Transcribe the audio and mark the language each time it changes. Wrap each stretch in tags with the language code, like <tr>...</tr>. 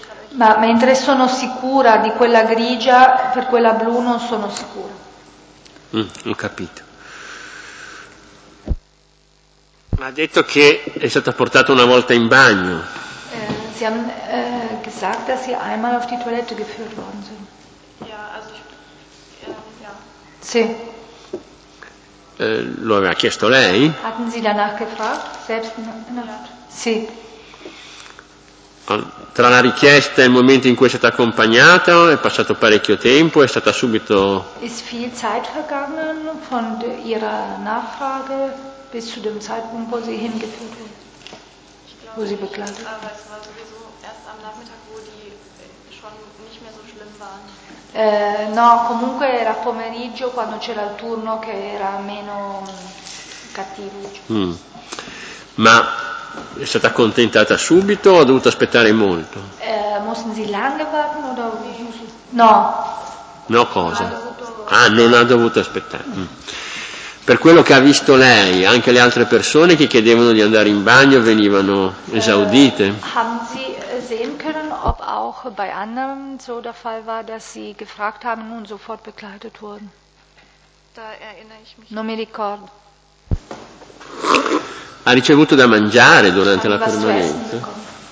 <it>Ma mentre sono sicura di quella grigia, per quella blu non sono sicura. Ho capito. Ma ha detto che è stata portata una volta in bagno.</it> <de>Sie haben gesagt, dass sie einmal auf die Toilette geführt worden sind.</de> <it>Sì. Lo aveva chiesto lei?</it> <de>Hatten Sie danach gefragt? Selbst nach? Sì.</de> <it>Tra la richiesta e il momento in cui è stata accompagnata è passato parecchio tempo, è stata subito.</it> <de>Ist viel Zeit vergangen von ihrer Nachfrage bis zu dem Zeitpunkt, wo sie hingeführt wurde, wo sie begleitet. Aber es war sowieso erst am Nachmittag, wo die schon nicht mehr so schlimm waren.</de> <it>No, comunque era pomeriggio quando c'era il turno che era meno cattivo. Ma è stata accontentata subito o ha dovuto aspettare molto?</it> <de>Mussten Sie lange warten oder no?</de> <it>No cosa? Non ha dovuto aspettare. Per quello che ha visto lei, anche le altre persone che chiedevano di andare in bagno venivano esaudite?</it> <de>Haben Sie sehen können, ob auch bei anderen so der Fall war, dass sie gefragt haben und sofort begleitet wurden? Da erinnere ich mich.</de> <it>Non mi ricordo. Ha ricevuto da mangiare durante la permanenza?</it>